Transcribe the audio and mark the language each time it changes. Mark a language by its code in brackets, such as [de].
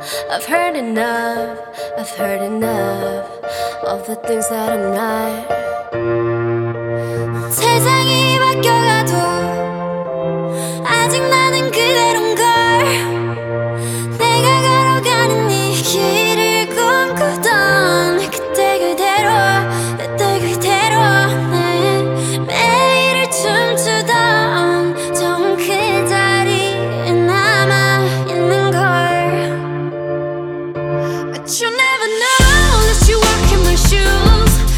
[en] I've heard enough, I've heard enough of the things that I'm not. [ko] 세상이 바뀌어가도 아직 나는 그대로인 걸. 내가 걸어가는 이 길을 꿈꾸던 그때 그대로, 그때 그대로. 네. 매일을 춤추던 좋은 그 자리에 남아 있는 걸. [en] But you never know unless you walk in my shoes.